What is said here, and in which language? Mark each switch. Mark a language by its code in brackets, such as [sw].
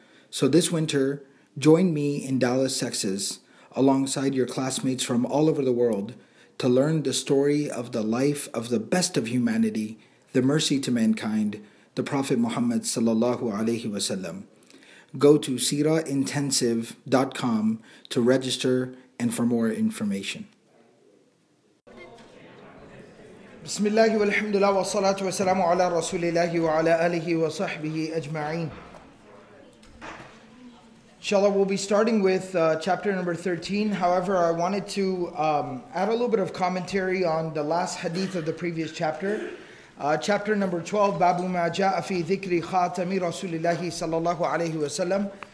[en] So this winter, join me in Dallas, Texas, alongside your classmates from all over the world, to learn the story of the life of the best of humanity, the mercy to mankind, the Prophet Muhammad ﷺ. Go to siraintensive.com to register and for more information. [ar] بسم الله والحمد لله والصلاة والسلام على رسول الله وعلى آله وصحبه أجمعين. [en] Inshallah, we'll be starting with chapter number 13. However, I wanted to add a little bit of commentary on the last hadith of the previous chapter. Chapter number 12, [ar] بابو ما جاء في ذكر خاتم رسول الله صلى الله عليه وسلم.